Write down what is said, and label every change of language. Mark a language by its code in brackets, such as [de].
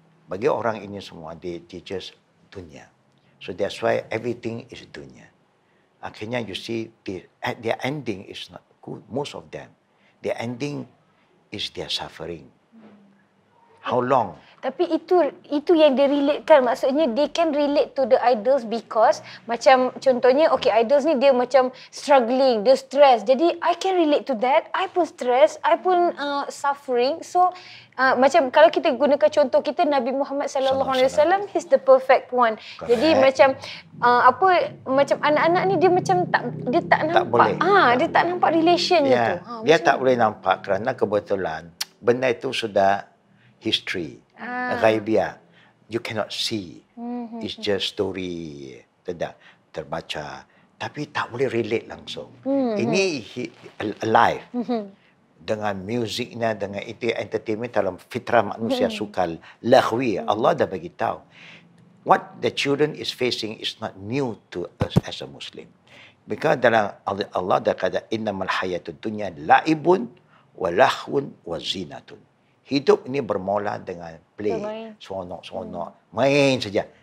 [ms] Bagi orang ini semua, they just dunia. [en] So that's why everything is dunia. Akhirnya you see, their ending is not good, most of them. Their ending is their suffering. How long? [ms] Tapi itu yang dia relate kan. Maksudnya, they can relate to the idols because macam contohnya, okay, idols ni dia macam struggling, dia stress. [en] Jadi, I can relate to that. I pun stress, I pun suffering. [ms] So, macam kalau kita gunakan contoh kita, Nabi Muhammad sallallahu alaihi wasallam, he's the perfect one. Correct. Jadi macam apa, macam anak-anak ni dia macam tak nampak. Dia tak nampak relationnya tu. Dia tak boleh nampak kerana kebetulan benda itu sudah history. [en] Ghaibia, you cannot see. It's just story. [ms] Tidak terbaca. Tapi tak boleh relate langsung. Ini alive. Dengan musiknya, dengan itu entertainment dalam fitrah manusia suka. Lahwi, Allah dah bagi tahu. [en] What the children is facing is not new to us as a Muslim. [ms] Because dalam Allah dah kata, innamal hayatud dunya laibun wa lahwun wa zinatun. Hidup ini bermula dengan play, seronok-seronok, main saja.